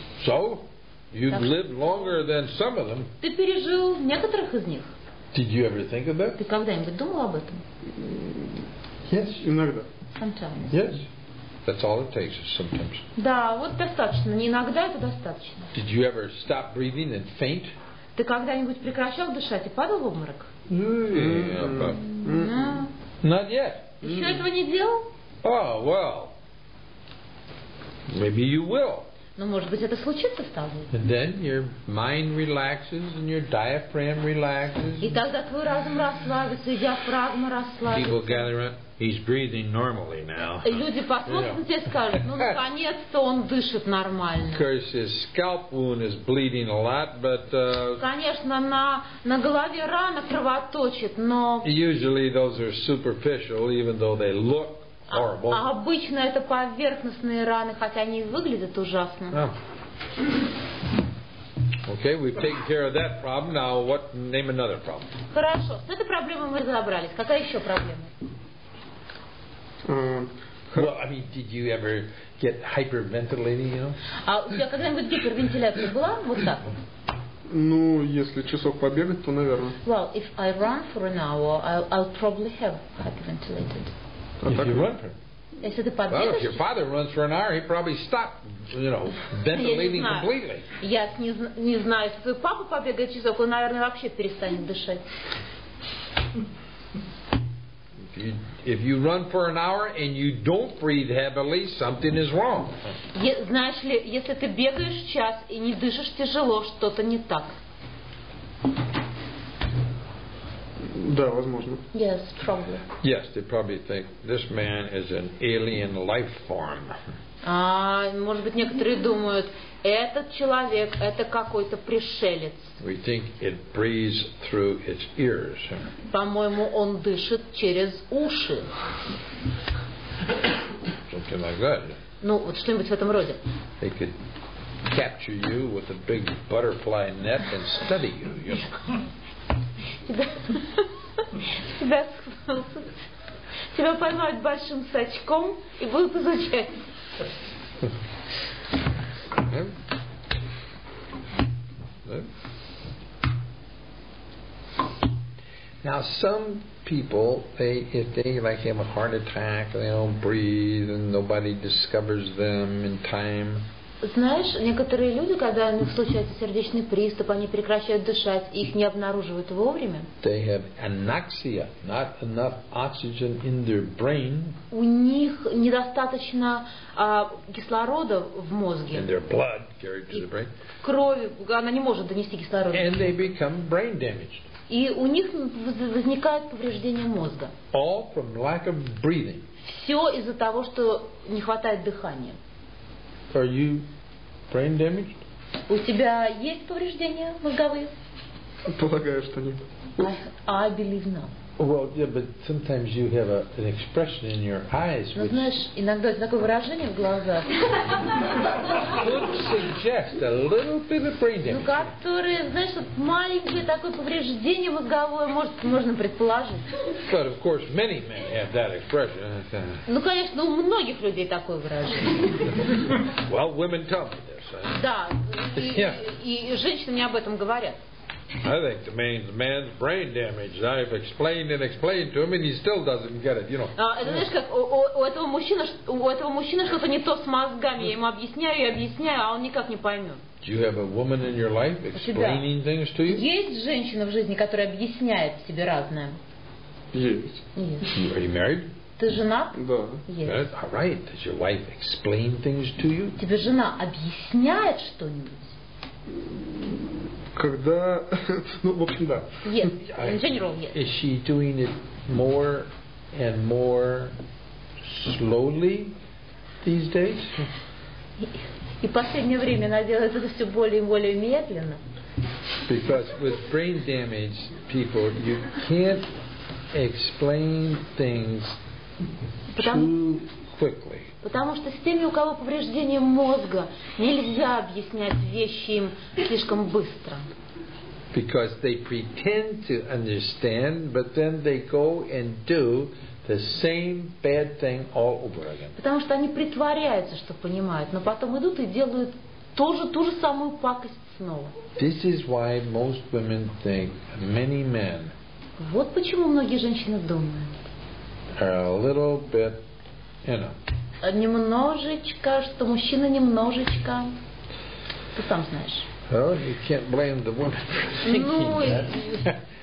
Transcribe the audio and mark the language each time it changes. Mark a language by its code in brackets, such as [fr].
[en] So, you've lived longer than some of them. [ru] Ты пережил некоторых из них. [en] Did you ever think of that? [ru] Ты когда-нибудь думал об этом? [en] Yes, [ru] иногда. [en] Sometimes. Yes. That's all it takes sometimes. [ru] Да, вот достаточно. Не иногда, это достаточно. [en] Did you ever stop breathing and faint? [ru] Ты когда-нибудь прекращал дышать и падал в обморок? [en] Not yet. [ru] Еще этого не делал? [en] Oh, well. Maybe you will. [ru] Но может быть это случится с тобой. [en] And then your mind relaxes and your diaphragm relaxes. [ru] И тогда твой разум расслабится, и диафрагма расслабится. [en] People gather around. He's breathing normally now. [ru] Люди посмотрят на тебя и скажут: ну наконец-то он дышит нормально. [en] Of course, his scalp wound is bleeding a lot, but. [ru] Конечно, на голове рана кровоточит, но. [en] Usually those are superficial, even though they look. [ru] А обычно это поверхностные раны, хотя они и выглядят ужасно. [en] Okay, we've taken care of that problem. Now, what? Name another problem. [ru] Хорошо, с этой проблемой мы разобрались. Какая еще проблема? [en] Well, I mean, did you ever get hyperventilating, you know? [ru] А у тебя когда-нибудь гипервентиляция была? Вот так вот. Ну, если часок побегать, то, наверное. [en] Well, if I run for an hour, I'll probably have hyperventilated. If you run for, well, if your father runs for an hour, he probably stopped, you know, ventilating completely. [ru] Я не знаю, если твой папа побегает часок, он, наверное, вообще перестанет дышать. [en] If you run for an hour and you don't breathe heavily, something is wrong. [ru] Знаешь ли, если ты бегаешь час и не дышишь тяжело, что-то не так. Да, возможно. [en] Yes, probably. Yes, they probably think this man is an alien life form. [ru] А, может быть, некоторые думают, этот человек это какой-то пришелец. [en] We think it breathes through its ears. [ru] По-моему, он дышит через уши. [en] Something like that. [ru] Ну, вот что-нибудь в этом роде. [en] They could capture you with a big butterfly net and study you. You know? [ru] Тебя поймают большим сачком и будут изучать. [en] Now some people, they if they like have a heart attack, they don't breathe, and nobody discovers them in time. [ru] Знаешь, некоторые люди, когда у них случается сердечный приступ, они прекращают дышать, их не обнаруживают вовремя. [en] They have anoxia, not enough oxygen in their brain. [ru] У них недостаточно кислорода в мозге. [en] And their blood carried to the brain. [ru] Крови, она не может донести кислород. [en] And they become brain damaged. [ru] И у них возникает повреждение мозга. [en] All from lack of breathing. [ru] Все из-за того, что не хватает дыхания. [en] Are you brain damaged? [ru] У тебя есть повреждения мозговые? Полагаю, что нет. [en] I believe not. Well, yeah, but sometimes you have an expression in your eyes. [ru] Ну, знаешь, иногда такое выражение в глазах. [en] Could suggest a little bit of brain damage. [ru] Ну, которые, знаешь, вот маленькое такое повреждение мозговое может, можно предположить. [en] But of course, many men have that expression. [ru] Ну, конечно, у многих людей такое выражение. [en] Well, women tell me this. [ru] Да, и женщины мне об этом говорят. [en] I think the man's brain damaged. I've explained and explained to him, and he still doesn't get it. You know. [ru] Знаешь, как у этого мужчины что-то не то с мозгами. Я ему объясняю, а он никак не поймет. [en] Do you have a woman in your life explaining things to you? [ru] Есть женщина в жизни, которая объясняет тебе разное. Есть. [en] Are you married? [ru] Ты женат? Да. [en] Yes. All right. Does your wife explain things to you? [ru] Тебе жена объясняет что-нибудь? Когда, ну, в общем, да. [en] Yes. In general, yes. Is she doing it more and more slowly these days? [ru] И последнее время она делает это все более и более медленно. [en] Because with brain damage, people, you can't explain things too quickly. [ru] Потому что с теми, у кого повреждение мозга, нельзя объяснять вещи им слишком быстро. [en] Because they pretend to understand, but then they go and do the same bad thing all over again. [ru] Потому что они притворяются, что понимают, но потом идут и делают ту же самую пакость снова. [en] This is why most women think, many men. [ru] Вот почему многие женщины думают. [en] Are a little bit, you know. [ru] Немножечко, что мужчина немножечко. Ты сам знаешь. [en] Well, you can't blame the woman for thinking that.